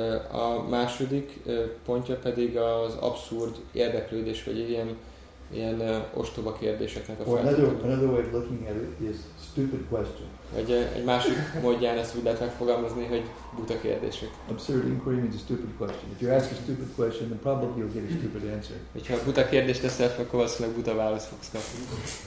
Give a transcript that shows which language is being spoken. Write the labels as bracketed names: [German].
[Hungarian] A második pontja pedig az abszurd érdeklődés, vagy ilyen ostoba kérdéseknek a feltétele. [English] Another way of looking at it is stupid question. [Hungarian] Egy másik módján ezt úgy lehet megfogalmazni, hogy buta kérdések. [English] Absurd inquiry means a stupid question. If you ask a stupid question, then probably you'll get a stupid answer. [Hungarian] Hogyha buta kérdést teszel, akkor valószínűleg buta választ fogsz kapni.